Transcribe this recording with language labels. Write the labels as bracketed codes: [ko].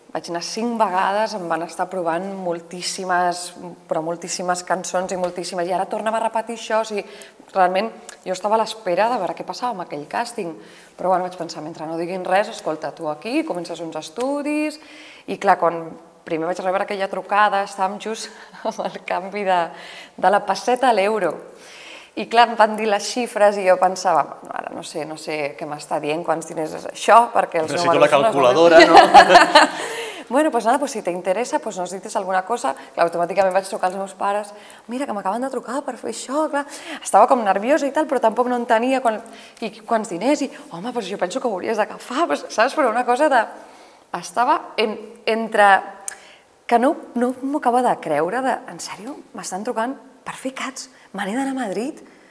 [ca] Vaig anar 5 vegades, em van estar provant moltíssimes, però moltíssimes cançons i moltíssimes, i ara tornava a repetir això, o sigui, realment jo estava a l'espera de veure què passava amb aquell càsting, però bueno, vaig pensar, mentre no diguin res, escolta, tu aquí, comences uns estudis, i clar, quan primer vaig rebre aquella trucada, estàvem just amb el canvi de la pesseta a l'euro, i clar, em van dir les xifres i jo pensava, ara no sé què m'està dient, quants diners és això, perquè els números... Necessito la calculadora, no? [es] Bueno, pues nada, pues si [ca] t'interessa, [es] pues nos dices alguna cosa. [ca] Clar, automàticament vaig trucar als meus pares, mira, que m'acaben de trucar per fer això, clar. Estava com nerviosa i tal, però tampoc no entenia quants diners, i home, pues jo penso que ho hauries d'agafar, pues, saps? Però una cosa de... Estava entre... Que no m'ho acaba de creure, de, en sèrio, m'estan trucant per fer CATS, me n'he d'anar a Madrid.